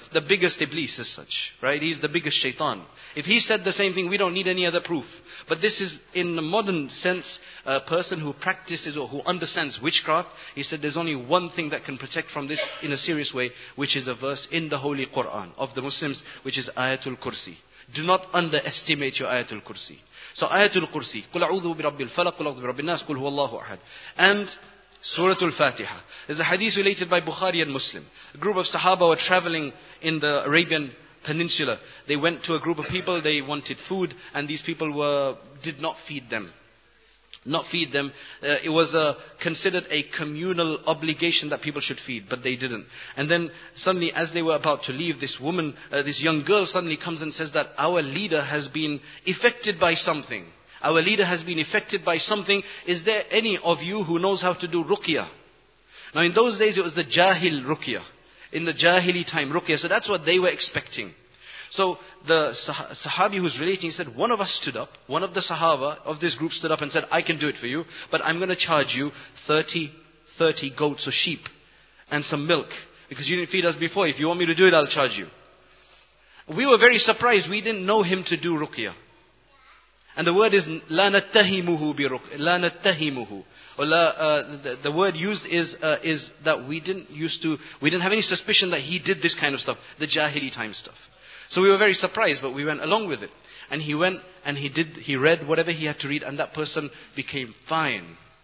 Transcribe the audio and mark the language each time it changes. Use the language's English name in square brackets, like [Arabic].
[English] The biggest Iblis as such. Right? He's the biggest shaitan. If he said the same thing, we don't need any other proof. But this is, in the modern sense, a person who practices or who understands witchcraft, he said there's only one thing that can protect from this in a serious way, which is a verse in the Holy Quran of the Muslims, which is Ayatul Kursi. Do not underestimate your Ayatul Kursi. [Arabic] So Ayatul Kursi, قُلْ أَعُوذُ بِرَبِّ الْفَلَقِ قُلْ أَعُوذُ بِرَبِّ النَّاسِ قُلْ هُوَ اللَّهُ أَحَدٌ And Surah Al-Fatiha. [English] There's a hadith related by Bukhari and Muslim. A group of Sahaba were traveling in the Arabian Peninsula. They went to a group of people, they wanted food, and these people did not feed them. It was considered a communal obligation that people should feed, but they didn't. And then suddenly, as they were about to leave, this young girl suddenly comes and says that our leader has been affected by something. Our leader has been affected by something. Is there any of you who knows how to do ruqya? Now in those days it was the jahil ruqya. In the jahili time ruqya. So that's what they were expecting. So the sahabi who's relating said, one of us stood up. One of the sahaba of this group stood up and said, I can do it for you. But I'm going to charge you 30 goats or sheep and some milk. Because you didn't feed us before. If you want me to do it, I'll charge you. We were very surprised. We didn't know him to do ruqya. And the word is [Arabic] لا نتهمه بروك لا نتهمه. [English] The word used is that we didn't have any suspicion that he did this kind of stuff, the jahili time stuff. So we were very surprised, but we went along with it. And he went and he read whatever he had to read, and that person became fine.